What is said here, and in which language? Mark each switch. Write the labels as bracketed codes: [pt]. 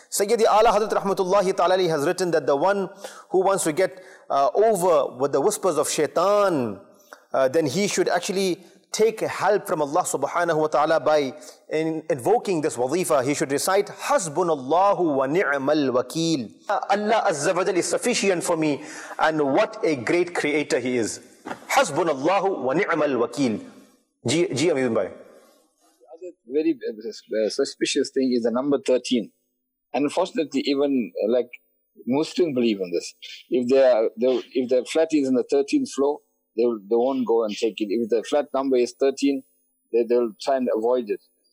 [en] Sayyidi Ala Hazrat Rahmatullahi Ta'ala has written that the one who wants to get over with the whispers of shaitan, then he should actually take help from Allah subhanahu wa ta'ala by invoking this wadifa. He should recite, Hasbunallahu wa ni'mal wakeel. Allah Azza wa Jalla is sufficient for me, and what a great creator he is. [ar] حَسْبُنَ اللَّهُ وَنِعْمَ الْوَكِيلِ جی Amiruddin bhai. [en] The other very suspicious thing is the number 13. And unfortunately, even like Muslims believe in this. If their flat is in the 13th floor, they won't go and take it. If the flat number is 13, they'll try and avoid it.